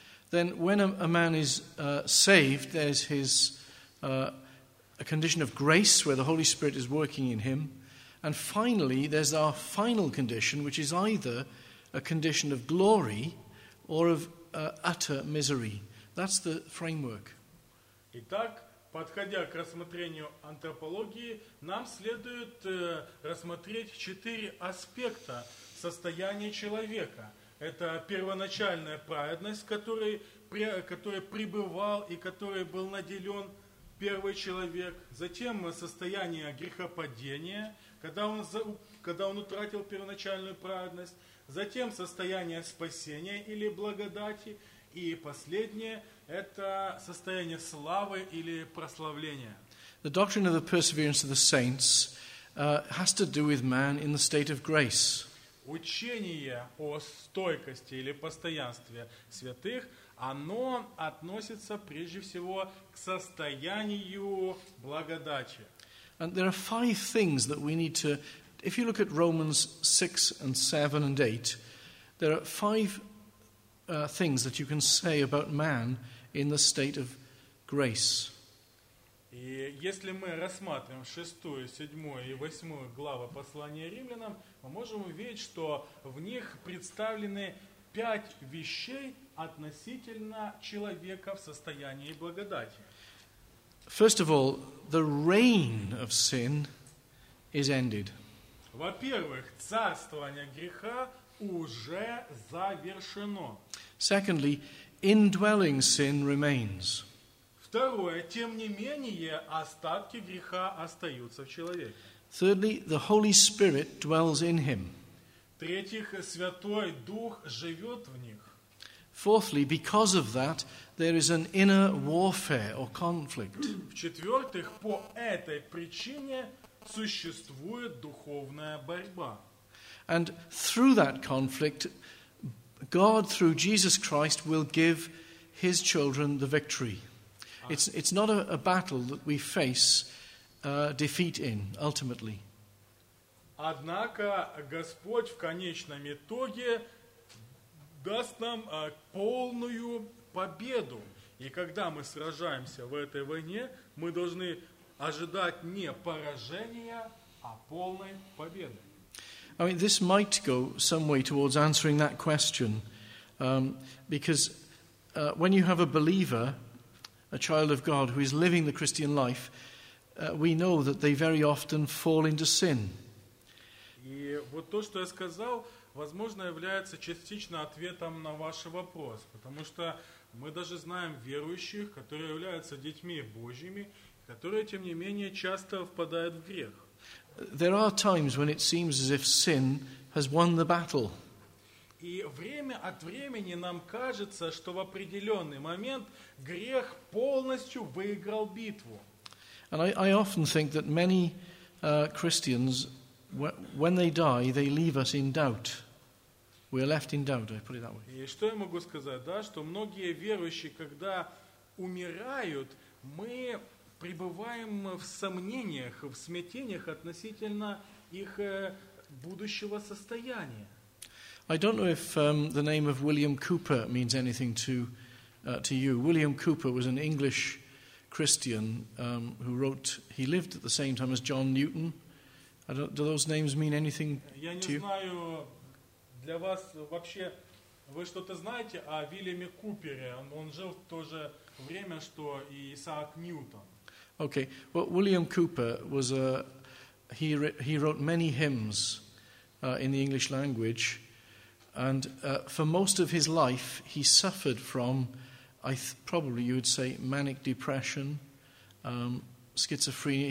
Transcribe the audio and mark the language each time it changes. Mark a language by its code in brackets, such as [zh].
[en] Then when a man is saved, there's his a condition of grace where the Holy Spirit is working in him. And finally, there's our final condition, which is either a condition of glory or of utter misery. That's the framework. [ru] Итак, подходя к рассмотрению антропологии, нам следует рассмотреть четыре аспекта состояния человека. Это первоначальная праведность, которой пребывал и которой был наделен первый человек. Затем состояние грехопадения, когда он утратил первоначальную праведность. Затем состояние спасения или благодати. И последнее – это состояние славы или прославления. [en] The doctrine of the perseverance of the saints has to do with man in the state of grace. [ru] Учение о стойкости или постоянстве святых, оно относится прежде всего к состоянию благодати. [en] And there are five things that we need to, if you look at Romans 6 and 7 and 8, there are five things that you can say about man in the state of grace. [ru] И если мы рассматриваем 6, 7 и 8 главы послания Римлянам, мы можем увидеть, что в них представлены пять вещей относительно человека в состоянии благодати. [en] First of all, the reign of sin is ended. [ru] Во-первых, царствование греха уже завершено. [en] Secondly, indwelling sin remains. [ru] Второе, тем не менее, остатки греха остаются в человеке. [en] Thirdly, the Holy Spirit dwells in him. [ru] В-третьих, Святой Дух живет в них. [en] Fourthly, because of that, there is an inner warfare or conflict. [ru] В-четвертых, по этой причине существует духовная борьба. [en] And through that conflict, God, through Jesus Christ, will give his children the victory. It's not a battle that we face defeat in, ultimately. [ru] Однако Господь в конечном итоге даст нам полную победу. И когда мы сражаемся в этой войне, мы должны ожидать не поражения, а полной победы. [en] I mean, this might go some way towards answering that question, because when you have a believer, a child of God who is living the Christian life, we know that they very often fall into sin. [ru] И вот то, что я сказал, возможно, является частично ответом на ваш вопрос, потому что мы даже знаем верующих, которые являются детьми Божьими, которые, тем не менее, часто впадают в грех. [en] There are times when it seems as if sin has won the battle. [ru] И время от времени нам кажется, что в определенный момент грех полностью выиграл битву. [en] And I often think that many Christians, when they die, they leave us in doubt. We are left in doubt, I put it that way. [ru] И что я могу сказать, да, что многие верующие, когда умирают, мы пребываем в сомнениях, в смятениях относительно их будущего состояния. [en] I don't know if the name of William Cooper means anything to you. William Cooper was an English Christian who wrote, he lived at the same time as John Newton. Do those names mean anything to you? [ru] Я не знаю, для вас вообще, вы что-то знаете о Вильяме Купере? Он жил в то же время, что и Исаак Ньютон. [en] Okay, well, William Cooper was he wrote many hymns in the English language, and for most of his life he suffered from, probably you would say, manic depression, schizophrenia.